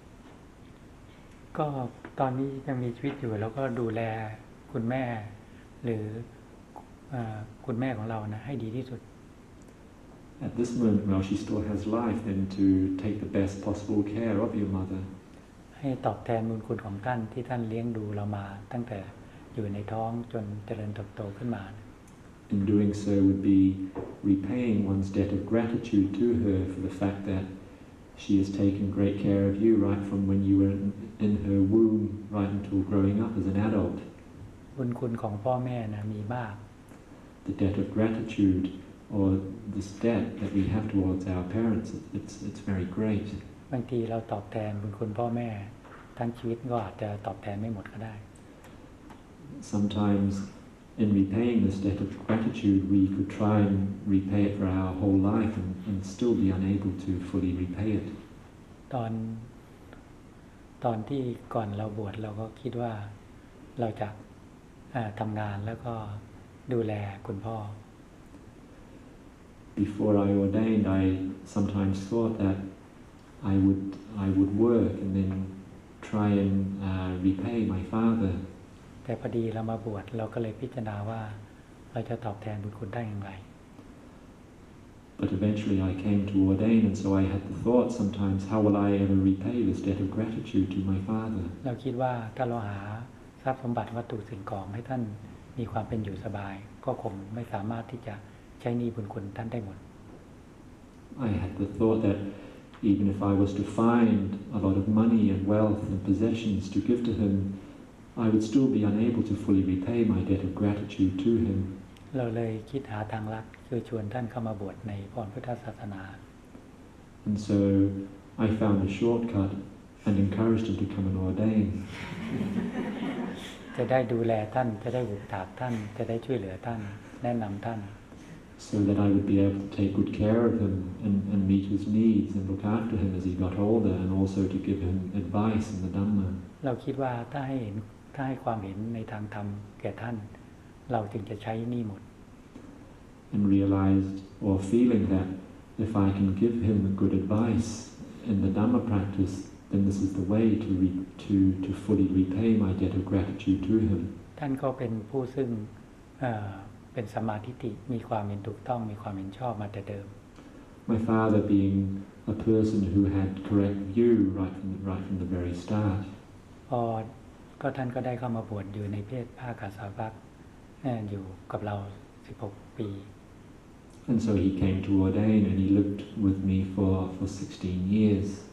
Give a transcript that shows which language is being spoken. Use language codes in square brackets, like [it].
[th] ก็ตอนนี้ยังมีชีวิตอยู่แล้วก็ดูแลคุณแม่หรือคุณแม่ของเรานะให้ดีที่สุด [en] At this moment while she still has life then to take the best possible care of your mother [th] ให้ตอบแทนบุญคุณของท่านที่ท่านเลี้ยงดูเรามาตั้งแต่อยู่ในท้องจนเจริญเติบโตขึ้นมา [en] In doing so would be repaying one's debt of gratitude to her for the fact that she has taken great care of you right from when you were in her womb right until growing up as an adult [th] บุญคุณของพ่อแม่นะมีมาก [en] The debt of gratitude or this debt that we have towards our parents it's very great [th] บางทีเราตอบแทนบุญคุณพ่อแม่ทั้งชีวิตก็อาจจะตอบแทนไม่หมดก็ได้ [en] Sometimes in repaying this debt of gratitude we could try and repay it for our whole life and still be unable to fully repay it [th] ตอนที่ก่อนเราบวชเราก็คิดว่าเราจะทำงานแล้วก็ดูแลคุณพ่อ [en] Before I ordained I sometimes thought thatI would work and then try and repay my father. [th] แต่พอดีเรามาบวชเราก็เลยพิจารณาว่าเราจะตอบแทนบุญคุณได้อย่างไร [en] But eventually I came to ordain and so I had the thought sometimes how will I ever repay this debt of gratitude to my father? [th] เราคิดว่าถ้าเราหาทรัพย์สมบัติวัตถุสิ่งของให้ท่านมีความเป็นอยู่สบายก็คงไม่สามารถที่จะใช้หนี้บุญคุณท่านได้หมด [en] I had the thought thatEven if I was to find a lot of money and wealth and possessions to give to him, I would still be unable to fully repay my debt of gratitude to him. [th] เราเลยคิดหาทางลัดคือชวนท่านเข้ามาบวชในพรพุทธศาสนา [en] And so I found a shortcut and encouraged him to come and ordain. [th] จะได้ดูแลท่านจะได้บูชาท่านจะได้ช่วยเหลือท่านแนะนำท่าน [en] So that I would be able to take good care of him and meet his needs and look after him as he got older and also to give him advice in the Dhamma. [th] เราคิดว่าถ้าให้ความเห็นในทางธรรมแก่ท่านเราจึงจะใช้นี่หมด [en] And realized or feeling that if I can give him good advice in the Dhamma practice, then this is the way to fully repay my debt of gratitude to him. [th] ท่านก็เป็นผู้ซึ่งเป็นสัมมาทิฏฐิมีความเห็นถูกต้องมีความเห็นชอบมาแต่เดิม [en] My father being a person who had correct view right from the very start [th] พอก็ท่านก็ได้เข้ามาบวชอยู่ในเพศภาคาสาวกอยู่กับเรา16ปี [en] And so he came to ordain and he lived with me for 16 years